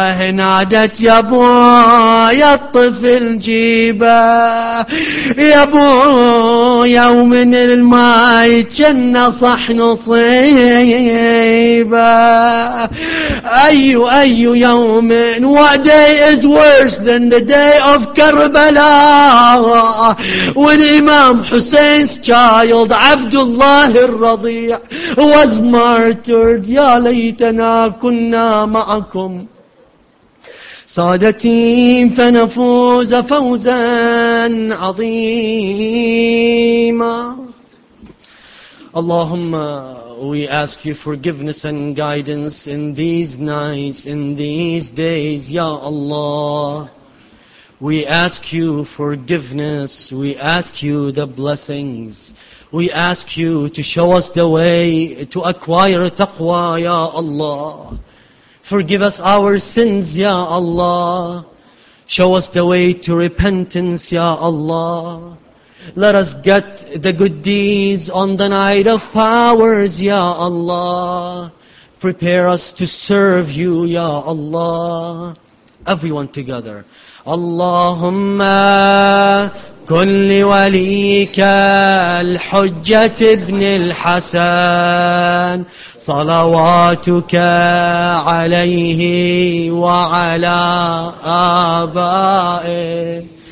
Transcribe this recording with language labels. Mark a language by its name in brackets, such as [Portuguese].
[Arabic] نادت يا بويا الطفل جيبه يا بويا ومن الماي جنى صحن صيبه. أيو يوم [English] what day is worse than the day of Karbala when Imam Hussein's child Abdullah الرضيع was martyred. [Arabic] يا ليتنا كنا معكم سادتي فنفوز فوزا عظيما. [English] اللهم we ask you forgiveness and guidance in these nights, in these days, Ya Allah. We ask you forgiveness, we ask you the blessings. We ask you to show us the way to acquire taqwa, Ya Allah. Forgive us our sins, Ya Allah. Show us the way to repentance, Ya Allah. Let us get the good deeds on the night of powers, Ya Allah. Prepare us to serve you, Ya Allah. Everyone together. [Arabic] Allahumma kun waliyika al-hujjat ibn al-hasan صلواتك عليه وعلى آبائه